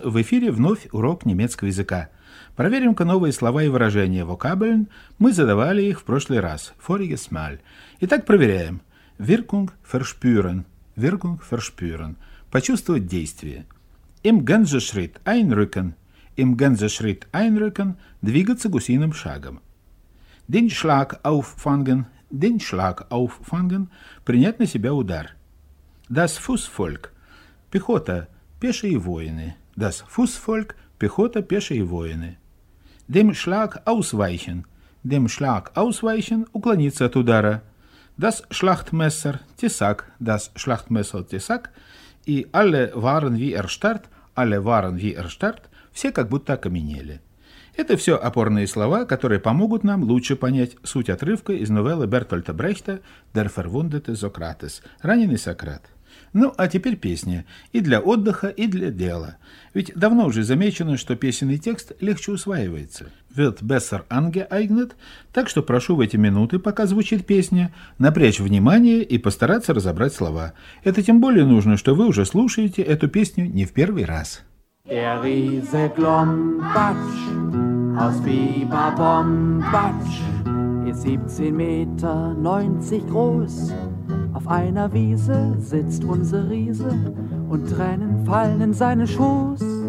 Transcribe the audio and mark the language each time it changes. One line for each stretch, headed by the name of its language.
Russian: В эфире вновь урок немецкого языка. Проверим-ка новые слова и выражения.
German: Vokabeln.
Russian: Мы задавали их в прошлый раз.
German: Voriges Mal.
Russian: Итак, проверяем.
German: Wirkung verspüren. Wirkung verspüren.
Russian: Почувствовать действие.
German: Im Gänseschritt einrücken. Im Gänseschritt einrücken.
Russian: Двигаться гусиным шагом.
German: Den Schlag auffangen. Den Schlag auffangen.
Russian: Принять на себя удар.
German: Das Fußvolk.
Russian: Пехота, пешие воины.
German: Das Fußvolk.
Russian: Пехота, пешие воины.
German: Dem Schlag ausweichen. Dem Schlag ausweichen.
Russian: Уклониться от удара.
German: Das Schlachtmesser.
Russian: Тесак.
German: Das Schlachtmesser.
Russian: Тесак.
German: И alle waren wie erstarrt. Alle waren wie erstarrt.
Russian: Все как будто окаменели. Это все опорные слова, которые помогут нам лучше понять суть отрывка из новеллы Бертольда Брехта
German: «Der verwundete Sokrates»
Russian: – «Раненый Сократ». Ну, а теперь песня. И для отдыха, и для дела. Ведь давно уже замечено, что песенный текст легче усваивается.
German: «Wird besser angeeignet»,
Russian: так что прошу в эти минуты, пока звучит песня, напрячь внимание и постараться разобрать слова. Это тем более нужно, что вы уже слушаете эту песню не в первый раз.
German: Der Riese Klompatsch aus Biberbombatsch ist 17,90 Meter groß. Auf einer Wiese sitzt unser Riese und Tränen fallen in seinen Schoß.